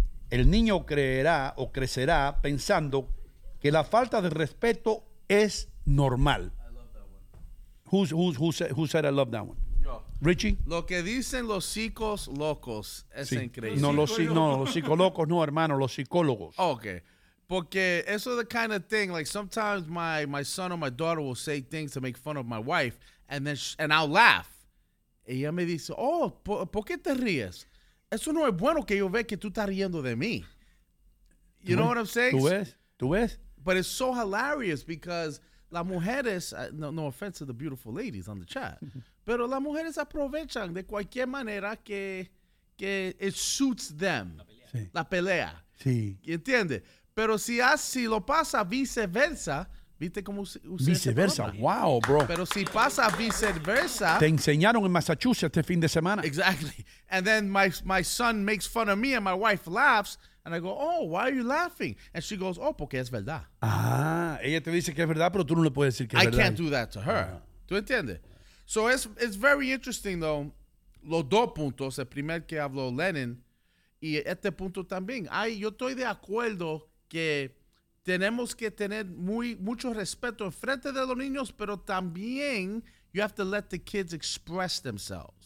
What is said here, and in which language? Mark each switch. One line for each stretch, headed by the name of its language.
Spanish: El niño creerá o crecerá pensando que la falta de respeto es normal.
English: Who said I love that one? Richie.
Spanish: Lo que dicen los psicos locos es increíble. Los psicos locos no, hermano, los psicólogos.
English: Okay.
Spanish: Porque eso es
English: the kind of thing, like sometimes my son or my daughter will say things to make fun of my wife, and then and I'll laugh.
Spanish: Ella me dice, oh, ¿por qué te ríes? Eso no es bueno que yo vea que tú estás riendo de mí.
English: You know what I'm saying?
Spanish: ¿Tú ves?
English: But it's so hilarious because
Spanish: las mujeres,
English: no offense to the beautiful ladies on the chat,
Spanish: pero las mujeres aprovechan de cualquier manera que
English: it suits them.
Spanish: La pelea. Sí. ¿Entiendes? Pero si lo pasa viceversa, ¿viste cómo usa?
English: Viceversa, wow, bro.
Spanish: Pero si pasa viceversa. Te enseñaron en Massachusetts este fin de semana.
English: Exactly. And then my son makes fun of me and my wife laughs. And I go, oh, why are you laughing? And she goes, oh,
Spanish: porque es verdad. Ah, ella te dice que es verdad, pero tú no le puedes decir que es verdad.
English: I can't do that to her.
Spanish: Uh-huh. ¿Tú entiendes?
English: So it's very interesting, though,
Spanish: los dos puntos, el primer que habló Lenin y este punto también. Yo estoy de acuerdo que tenemos que tener mucho respeto en frente de los niños, pero también
English: you have to let the kids express themselves.